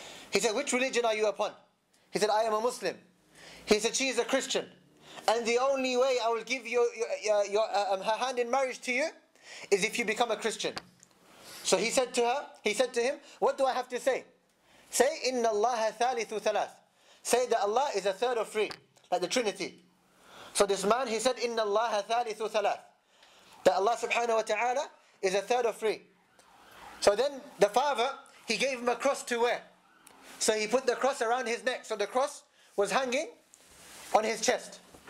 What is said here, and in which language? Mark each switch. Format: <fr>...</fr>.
<en>He said, which religion are you upon? He said, I am a Muslim. He said, she is a Christian. And the only way I will give you her hand in marriage to you is if you become a Christian. So he said to her, he said to him, what do I have to say? Say,</en> <ar>إِنَّ اللَّهَ ثَالِثُ ثَلَاثُ.</ar> <en>Say that Allah is a third of three, like the Trinity. So this man, he said,</en> <ar>إِنَّ اللَّهَ ثَالِثُ ثَلَاثُ.</ar> <en>That Allah subhanahu wa ta'ala is a third of three. So then the father, he gave him a cross to wear. So he put the cross around his neck. So the cross was hanging on his chest.</en>